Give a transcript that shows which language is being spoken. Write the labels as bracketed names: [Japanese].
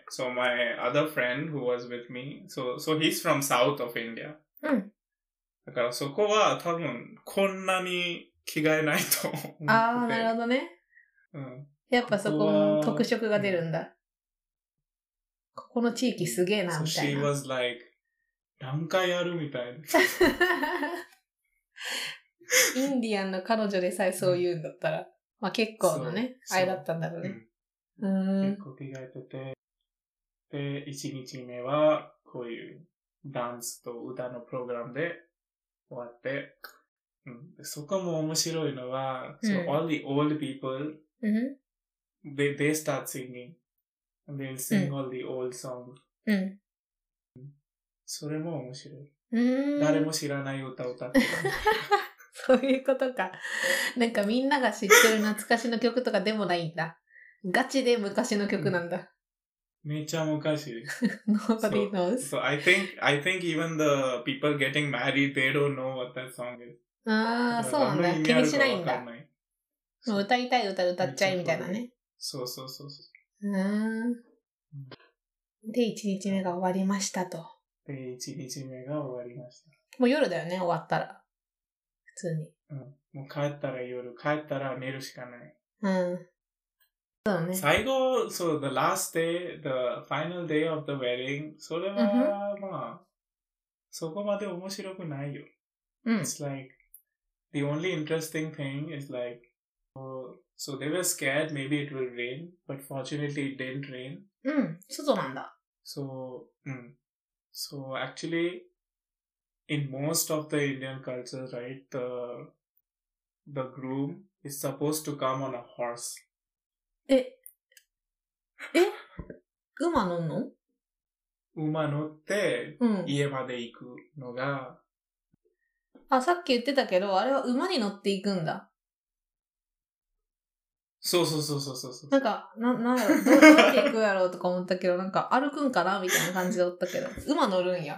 [English] so my other friend who was with me, so he's from south of India. [Japanese] うん。だからそこは多分こんなに着替えないと思って。ああ、なるほどね。うん。やっぱそこ特色が出るんだ。ここの地域すげえなみたいな。 So she was like, 何回やるみたいな。インディアンの彼女でさえそう言うんだったら、うん、まあ結構のね、愛だったんだろうね。結構着替えてて、で、1日目はこういうダンスと歌のプログラムで終わって、うん、でそこも面白いのは、うん、 so all the old people,、うん、 [English] they start singing, and they sing all the old songs.、 [Japanese] うんうんそれも面白い。誰も知らない歌を歌ってた。そういうことか。なんかみんなが知ってる懐かしの曲とかでもないんだ。ガチで昔の曲なんだ。めっちゃ昔。 [English] Nobody knows. So I think even the people getting married, they don't know what that song is. [Japanese] ああ、そうなんだ。気にしないんだ。もう歌いたい歌歌っちゃいみたいなね。そうそうそうそう。で、1日目が終わりましたと。で、1日目が終わりました。もう夜だよね、終わったら。普通に。うん。もう帰ったら夜、帰ったら寝るしかない。うん。そうね。最後、そう、 the last day, the final day of the wedding, それは、うん、まあ、そこまで面白くないよ。うん。 [English] It's like, the only interesting thing is like, so they were scared maybe it will rain, but fortunately it didn't rain. [Japanese] うん、外なんだ。 [English] So, うん。 So actually, in most of the Indian culture, right, the groom is supposed to come on a horse. [Japanese] え?馬乗んの? 馬乗って、家まで行くのが、うん。あ、さっき言ってたけど、あれは馬に乗って行くんだ。そうそうそうそうそうそう。なんか、なんだろう、どうやって行くやろうとか思ったけど、なんか歩くんかなみたいな感じだったけど、馬乗るんや。